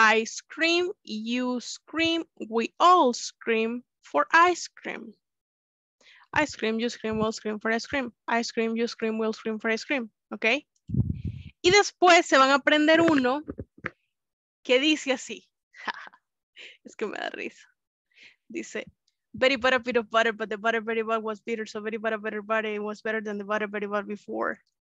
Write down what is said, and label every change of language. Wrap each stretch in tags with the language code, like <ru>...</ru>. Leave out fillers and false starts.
<en>Ice cream, you scream, we all scream for ice cream. Ice cream, you scream, we'll scream for ice cream. Ice cream, you scream, we'll scream for ice cream. Ok.</en> <es>Y después se van a aprender uno que dice así. Es que me da risa. Dice...</es> <en>Betty bought a bit of butter, but the butter Betty bought was bitter, so Betty bought a better butter, it was better than the butter Betty bought before.</en>